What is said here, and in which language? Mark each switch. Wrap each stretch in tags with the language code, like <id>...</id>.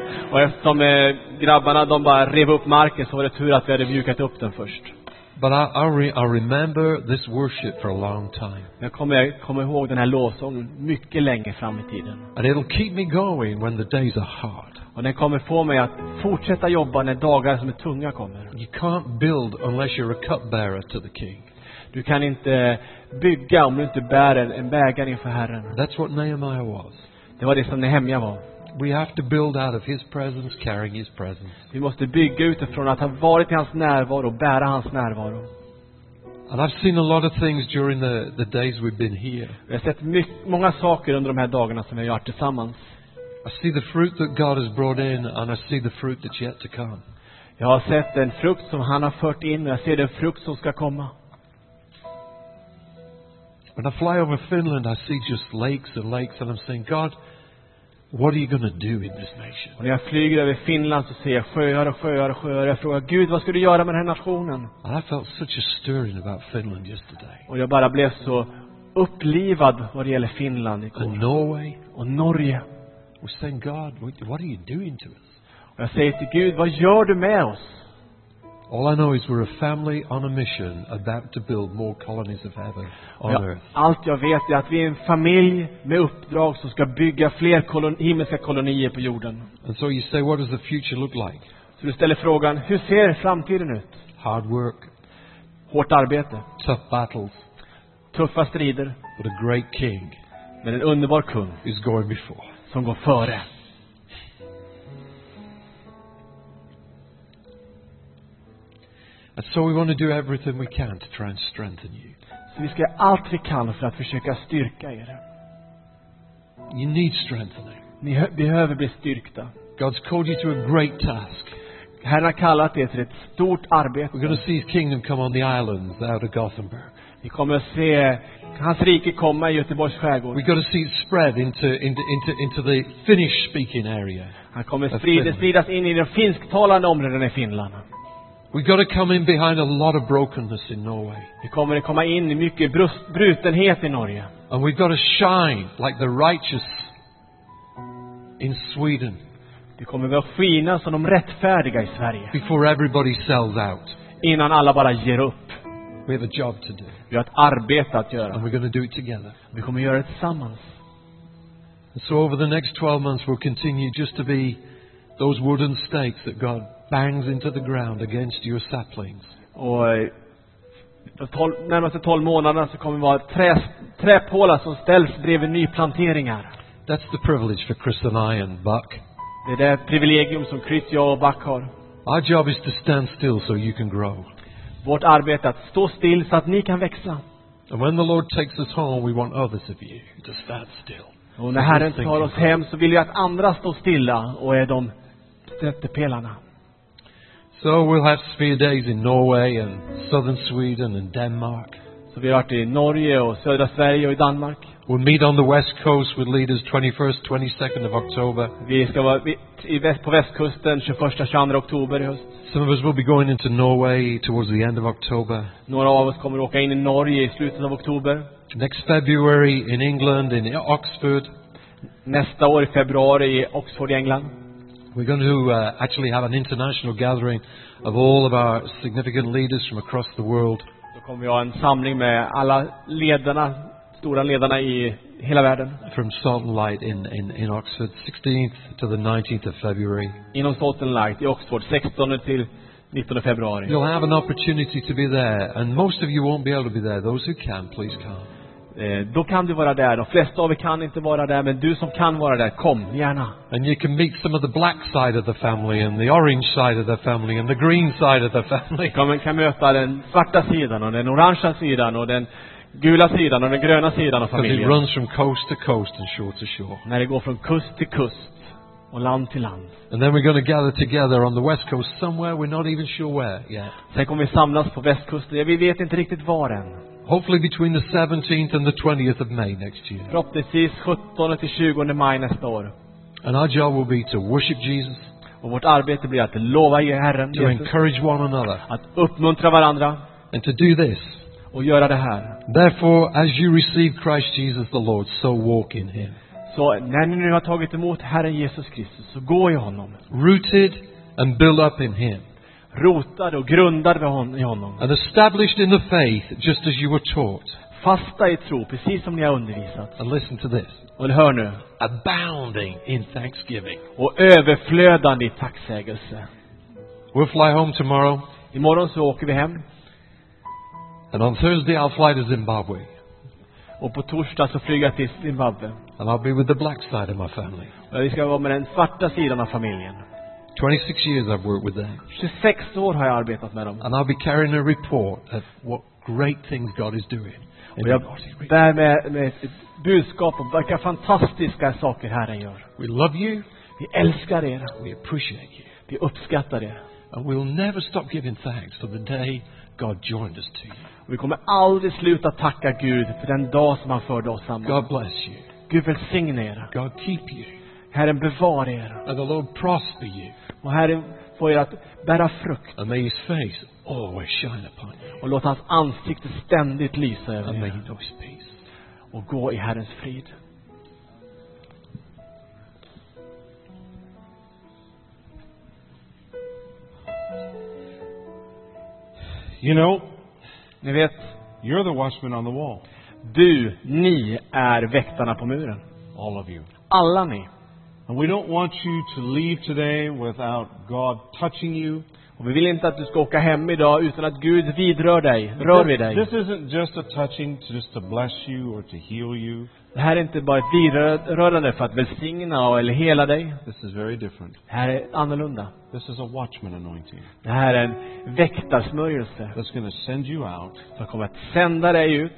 <sv>Och eftersom grabbarna de bara rev upp marken, så var det tur att vi hade mjukat upp den först.</sv> <en>But I remember this worship for a long time.</en> <sv>Jag kommer ihåg den här lovsången mycket länge fram i tiden.</sv> <en>And it'll keep me going when the days are hard.</en> <sv>Och den kommer få mig att fortsätta jobba när dagar som är tunga kommer.</sv> <en>You can't build unless you're a cupbearer to the king.</en> <sv>Du kan inte bygga om du inte bär en bägare inför Herren.</sv> <en>That's what Nehemiah was.</en> <sv>Det var det som Nehemja var.</sv> <en>We have to build out of his presence, carrying his presence.</en> <sv>Vi måste bygga utifrån att ha varit i hans närvaro och bära hans närvaro.</sv> <en>And I've seen a lot of things during the days we've been here.</en> <sv>Jag har sett många saker under de här dagarna som vi har gjort tillsammans.</sv> <en>I see the fruit that God has brought in and I see the fruit that's yet to come.</en> <sv>Jag har sett den frukt som han har fört in och jag ser den frukt som ska komma.</sv> <en>When I fly over Finland I see just lakes and lakes and I'm saying, God, what are you going to do in this nation?</en> <sv>Och när jag flyger över Finland så ser jag sjöar och sjöar och sjöar. Jag frågar Gud, vad ska du göra med den här nationen?</sv> <en>And I felt such a stirring about Finland yesterday.</en> <sv>Och jag bara blev så upplivad vad det gäller Finland igår.</sv> <en>And Norway.</en> <sv>Och Norge.</sv> <en>We said, God, what are you doing to us?</en> <sv>Och jag säger till Gud, vad gör du med oss?</sv> <en>All I know is we're a family on a mission about to build more colonies of heaven on earth.</en> <sv>Allt jag vet är att vi är en familj med uppdrag som ska bygga fler himmelska kolonier på jorden.</sv> <en>And so you say, what does the future look like?</en> <sv>Så du ställer frågan, hur ser framtiden ut?</sv> <en>Hard work.</en> <sv>Hårt arbete.</sv> <en>Tough battles.</en> <sv>Tuffa strider.</sv> <en>But a great king.</en> <sv>Men en underbar kung.</sv> <en>Is going before.</en> <sv>Som går före.</sv> <en>So we want to do everything we can to try and strengthen you.</en> <sv>Så vi ska göra allt vi kan för att försöka styrka er.</sv> <en>You need strengthening.</en> <sv>Ni behöver bli styrkta.</sv> <en>God's called you to a great task.</en> <sv>Herren har kallat er till ett stort arbete.</sv> <en>We're going to see his kingdom come on the islands out of Gothenburg.</en> <sv>Vi kommer att se hans rike komma i Göteborgs skärgård.</sv> <en>We're going to see it spread into the Finnish speaking area.</en> <sv>Han kommer att spridas in i de finsktalande områdena i Finland.</sv> <en>We've got to come in behind a lot of brokenness in Norway.</en> <sv>Vi kommer att komma in i mycket brutenhet i Norge.</sv> <en>And we've got to shine like the righteous in Sweden.</en> <sv>Vi kommer att skina som de rättfärdiga i Sverige.</sv> <en>Before everybody sells out.</en> <sv>Innan alla bara ger upp.</sv> <en>We have a job to do.</en> <sv>Vi har ett arbete att göra.</sv> <en>And we're going to do it together.</en> <sv>Vi kommer göra det tillsammans.</sv> <en>So over the next 12 months we'll continue just to be those wooden stakes that God bangs into the ground against your saplings.</en> <sv>Och närmaste 12 månaderna så kommer vara träpålar som ställs bredvid nyplanteringar.</sv> <en>That's the privilege for Chris and I and Buck.</en> <sv>Det är privilegium som Chris, jag och Buck har.</sv> <en>Our job is to stand still so you can grow.</en> <sv>Vårt arbete är att stå still så att ni kan växa.</sv> <en>And when the Lord takes us home we want others of you to stand still.</en> <sv>Och när Herren tar oss hem så vill jag att andra står stilla och är de stöttepelarna.</sv> <en>So we'll have sphere days in Norway and southern Sweden and Denmark.</en> <sv>Så vi har varit i Norge och södra Sverige och i Danmark.</sv> <en>We'll meet on the west coast with leaders 21st, 22nd of October.</en> <sv>Vi ska vara på västkusten 21, 22 oktober i höst.</sv> <en>Some of us will be going into Norway towards the end of October.</en> <sv>Några av oss kommer åka in i Norge i slutet av oktober.</sv> <en>Next February in England, in Oxford.</en> <sv>Nästa år i februari i Oxford i England.</sv> <en>We're going to actually have an international gathering of all of our significant leaders from across the world.</en> <sv>Då kommer vi ha en samling med alla ledarna, stora ledarna i hela världen.</sv> <en>From Salt and Light in Oxford, 16th to the 19th of February.</en> <sv>Inom Salt and Light i Oxford, 16 till 19 februari.</sv> <en>You'll have an opportunity to be there, and most of you won't be able to be there. Those who can, please come.</en> <sv>Då kan du vara där. De flesta av er kan inte vara där, men du som kan vara där, kom gärna.</sv> <en>And you can meet some of the black side of the family and the orange side of the family and the green side of the family.</en> <sv>Kan möta den svarta sidan och den orangea sidan och den gula sidan och den gröna sidan av familjen.</sv> <en>It runs from coast to coast and shore to shore.</en> <sv>När det går från kust till kust och land till land.</sv> <en>And then we're going to gather together on the west coast somewhere we're not even sure where yet.</en> <sv>Sen kommer vi samlas på västkusten. Vi vet inte riktigt var än.</sv> <en>Hopefully between the 17th and the 20th of May next year.</en> <sv>Förhoppningsvis 17 till 20 maj nästa år.</sv> <en>And our job will be to worship Jesus.</en> <sv>Och vårt arbete blir att lova Herren.</sv> <en>To encourage one another.</en> <sv>Att uppmuntra varandra.</sv> <en>And to do this.</en> <sv>Och göra det här.</sv> <en>Therefore, as you receive Christ Jesus the Lord, so walk in Him.</en> <sv>Så när ni nu har tagit emot Herren Jesus Kristus, så gå i honom.</sv> <en>Rooted and built up in Him.</en> <sv>Rotad och grundad i honom.</sv> <en>And established in the faith, just as you were taught.</en> <sv>Fasta i tro, precis som ni har undervisat.</sv> <en>And listen to this.</en> <sv>Och hör nu.</sv> <en>Abounding in thanksgiving.</en> <sv>Och överflödande i tacksägelse.</sv> <en>We'll fly home tomorrow.</en> <sv>Imorgon så åker vi hem.</sv> <en>And on Thursday I'll fly to Zimbabwe.</en> <sv>Och på torsdag så flyger jag till Zimbabwe.</sv> <en>And I'll be with the black side of my family.</en> <sv>Och vi ska vara med den svarta sidan av familjen.</sv> <en>26 years I've worked with them.</en> <sv>26 år har jag arbetat med dem.</sv> <en>And I'll be carrying a report of what great things God is doing.</en> <sv>Och jag bär med ett budskap om vilka fantastiska saker Herren gör.</sv> <en>We love you.</en> <sv>Vi älskar er.</sv> <en>We appreciate you.</en> <sv>Vi uppskattar er.</sv> <en>And we'll never stop giving thanks till the day God joined us to you.</en> <sv>Och vi kommer aldrig sluta tacka Gud för den dag som han förde oss samman.</sv> <en>God bless you.</en> <sv>Gud välsigne er.</sv> <en>God keep you.</en> <sv>Herren bevara er.</sv> <en>And the Lord prosper you.</en> <sv>Och Herren får er att bära frukt.</sv> <en>And may His face always shine upon you.</en> <sv>Och låt hans ansikte ständigt lysa över er.</sv> <en>And may you know His peace.</en> <sv>Och gå i Herrens frid.</sv> <en>You know,</en> <sv>ni vet,</sv> <en>you're the watchman on the wall.</en> <sv>Du, ni är väktarna på muren.</sv> <en>All of you.</en> <sv>Alla ni.</sv> <en>And we don't want you to leave today without God touching you.</en> <sv>Och vi vill inte att du ska åka hem idag utan att Gud vidrör dig, rör vid dig.</sv> <en>This isn't just a touching to just to bless you or to heal you.</en> <sv>Det här är inte bara ett vidrörande för att välsigna eller hela dig.</sv> <en>This is very different.</en> <sv>Det här är annorlunda.</sv> <en>This is a watchman anointing.</en> <sv>Det här är en väktarsmörjelse.</sv> <en>That's going to send you out.</en> <sv>Som kommer att sända dig ut.</sv>